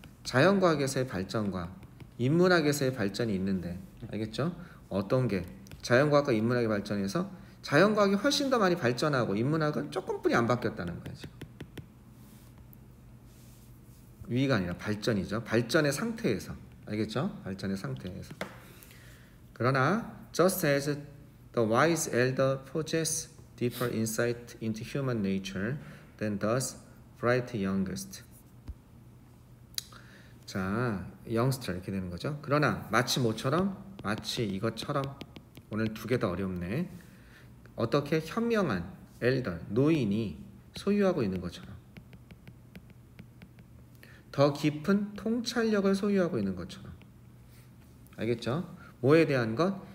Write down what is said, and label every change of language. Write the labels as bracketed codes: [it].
[ko] 자연과학에서의 발전과 인문학에서의 발전이 있는데, 알겠죠? 어떤 게 자연과학과 인문학의 발전에서 자연과학이 훨씬 더 많이 발전하고 인문학은 조금뿐이 안 바뀌었다는 거야 지금. 위가 아니라 발전이죠. 발전의 상태에서, 알겠죠? 발전의 상태에서. 그러나 [en] just as the wise elder possess deeper insight into human nature than does bright youngest. [ko] 자, youngster 이렇게 되는 거죠. 그러나 마치 모처럼, 마치 이것처럼, 오늘 두 개 다 어렵네. 어떻게 현명한 elder, 노인이 소유하고 있는 것처럼, 더 깊은 통찰력을 소유하고 있는 것처럼. 알겠죠? 뭐에 대한 것?